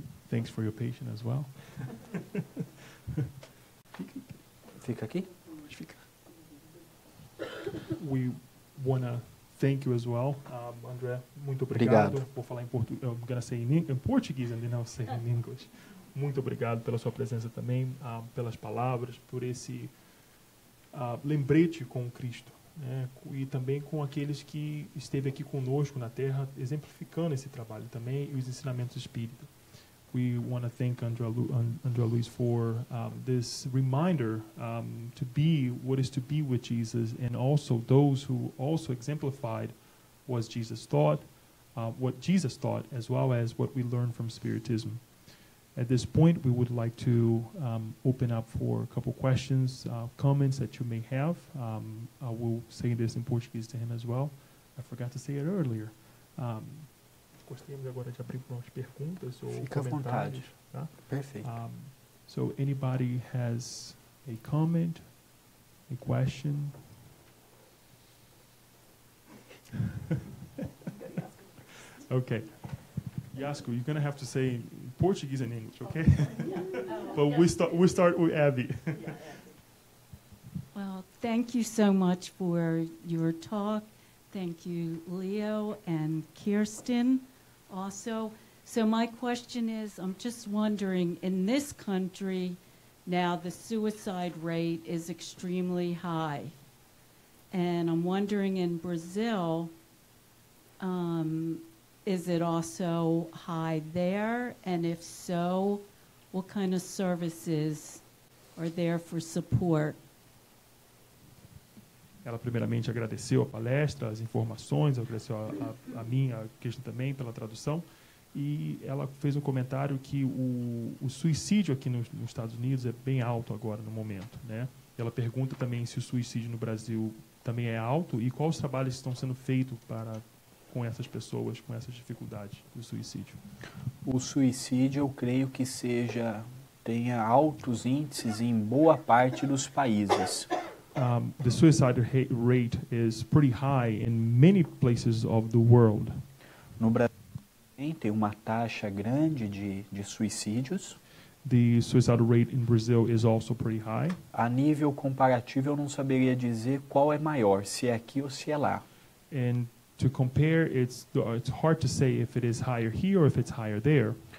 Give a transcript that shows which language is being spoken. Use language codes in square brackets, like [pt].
[en] Thanks for your patience as well. [pt] Fica aqui? Fica. [en] We want to thank you as well, André. [pt] Muito obrigado. Obrigado. Vou falar em português. [en] I'm going to say in Portuguese and then I'll say in English. [pt] Muito obrigado pela sua presença também, pelas palavras, por esse lembrete com Cristo, né? E também com aqueles que esteve aqui conosco na Terra, exemplificando esse trabalho também e os ensinamentos espíritas. [en] We want to thank Andrea Luiz for this reminder to be what is to be with Jesus, and also those who also exemplified what Jesus thought, as well as what we learned from Spiritism. At this point, we would like to open up for a couple questions, comments that you may have. I will say this in Portuguese to him as well. I forgot to say it earlier. [pt] Gostaríamos agora de abrir para umas perguntas ou comentários. Tá? Perfeito. [en] So anybody has a comment, a question? Okay. Yasco, you're going to have to say Portuguese and English, okay? But we start with Abby. Well, thank you so much for your talk. Thank you, Leo and Kirsten also. So my question is, I'm just wondering, in this country now the suicide rate is extremely high. And I'm wondering in Brazil, is it also high there? And if so, what kind of services are there for support? [pt] Ela primeiramente agradeceu a palestra, as informações, agradeceu a mim, a Kirsten também, pela tradução. E ela fez um comentário que o suicídio aqui nos Estados Unidos é bem alto agora, no momento. Né? Ela pergunta também se o suicídio no Brasil também é alto e quais os trabalhos estão sendo feitos para... com essas pessoas, com essas dificuldades do suicídio? O suicídio, eu creio que tenha altos índices em boa parte dos países. [en] The suicide rate is pretty high in many places of the world. [pt] No Brasil tem uma taxa grande de suicídios. [en] The suicide rate in Brazil is also pretty high. [pt] A nível comparativo, eu não saberia dizer qual é maior, se é aqui ou se é lá. [en] And to compare, it's hard to say if it is higher here or if it's higher there.